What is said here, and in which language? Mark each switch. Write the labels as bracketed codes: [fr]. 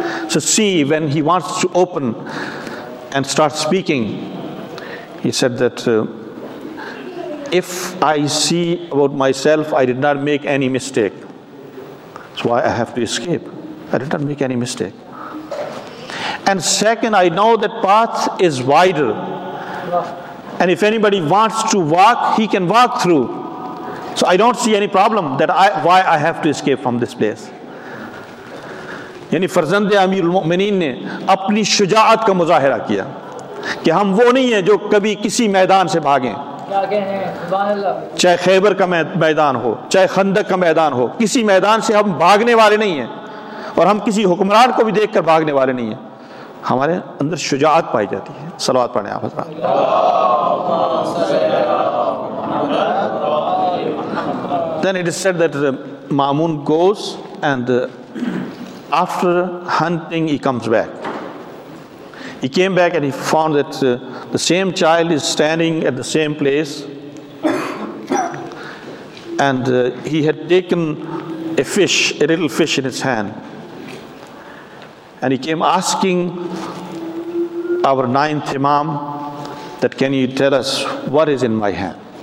[en] So see, when he wants to open and start speaking, he said that if I see about myself, I did not make any mistake, that's why I have to escape, I did not make any mistake. And second, I know that path is wider, And if anybody wants to walk, he can walk through. So I don't see any problem that why I have to escape from this place. [ur] یعنی فرزند امیر المؤمنین نے اپنی شجاعت کا مظاہرہ کیا کہ ہم وہ نہیں ہیں جو کبھی کسی میدان سے بھاگیں, چاہے خیبر کا میدان ہو, چاہے خندق کا میدان ہو, کسی میدان سے ہم بھاگنے والے نہیں ہیں, اور ہم کسی حکمران کو بھی دیکھ کر بھاگنے والے نہیں ہیں. ہمارے اندر شجاعت پائی جاتی ہے. صلوات پڑھیں آپ حضرات. [en] Then it is said that Mamun goes and after hunting he comes back. He came back and he found that the same child is standing at the same place, and he had taken a fish, a little fish in his hand, and he came asking our ninth imam that, can you tell us what is in my hand?